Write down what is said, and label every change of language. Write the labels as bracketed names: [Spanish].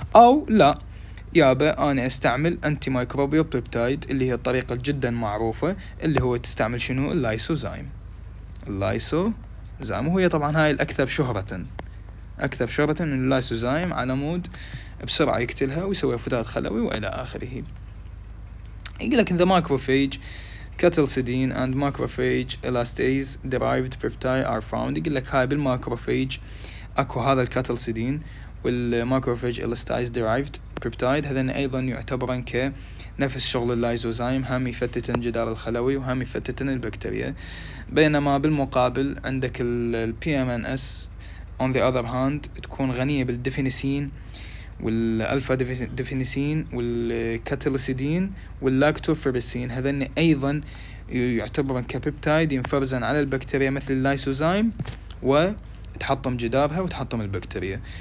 [Arabic] او لا يابا، انا استعمل انتي مايكروبيو بيبتايد اللي هي الطريقة جدا معروفة، اللي هو تستعمل شنو؟ اللايسوزايم. اللايسوزايم هو طبعا هاي الاكثر شهرة، اكثر شهرة من اللايسوزايم، على مود بسرعة يقتلها ويسوي فتات خلوي والى اخره. [English] يقول لك the macrophage cathelicidin and macrophage elastase derived peptide are found. [Arabic] يقول لك هاي بالماكروفيج اكو هذا الكاتلسيدين والماكروفيج elastase derived peptide، هذين ايضا يعتبرن كنفس شغل اللايزوزايم، هم يفتتن جدار الخلوي وهم يفتتن البكتيريا. بينما بالمقابل عندك ال PMNS on the other hand تكون غنية بالديفينيسين والالفا ديفينيسين والكاتلسيدين واللاكتوفيربسين، هذين ايضا يعتبرن كبيبتايد ينفرزن على البكتيريا مثل اللايسوزايم وتحطم جدارها وتحطم البكتيريا.